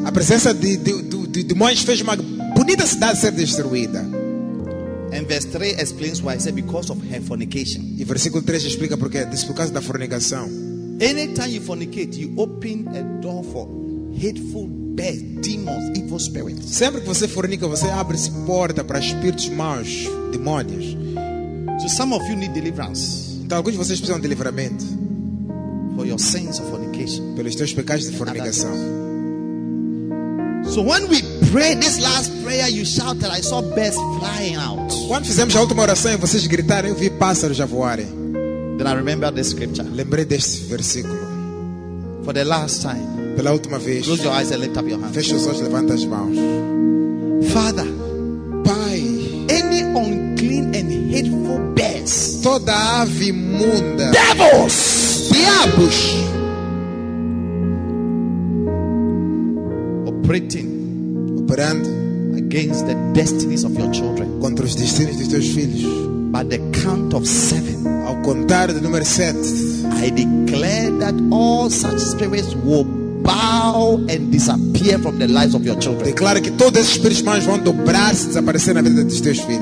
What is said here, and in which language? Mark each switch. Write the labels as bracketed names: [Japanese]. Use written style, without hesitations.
[Portuguese] A presença de demônios fez uma bonita cidade ser destruída. [English] And verse 3 explains why. I said because of her fornication. [Portuguese] E versículo 3 explica porquê. Diz por causa da fornicação. [English] Anytime you fornicate, you open a door for hateful bad demons, evil spirits. [Portuguese] Sempre que você fornica, você abre essa porta para espíritos maus, demônios. [English] So some of you need deliverance. [Portuguese] Então alguns de vocês precisam de livramento. [English] For your sins of fornication. [Portuguese] Pelos teus pecados de fornicação. [English] So when we pray this last prayer, you shouted, I saw birds flying out. [Portuguese] Quando fizemos a última oração e vocês gritaram, eu vi pássaros a voarem. [English] Then I remember this scripture. [Portuguese] Lembrei deste versículo. [English] For the last time. [Portuguese] Pela última vez. [English] Close your eyes and lift up your hands. [Portuguese] Feche os olhos e levanta as mãos. [English] Father, [Portuguese] Pai, [English] any unclean and hateful birds. [Portuguese] Toda ave imunda. [English] Devils. [Portuguese] Diabos. Operando [English] against the destinies of your children. [Portuguese] Contra os destinos dos teus filhos. [English] By the count of seven, [Portuguese] ao contar do número 7, [English] I declare that all such spirits will bow and disappear from the lives of your children. [Portuguese] Declaro que todos esses espíritos maus vão dobrar-se e desaparecer na vida dos teus filhos.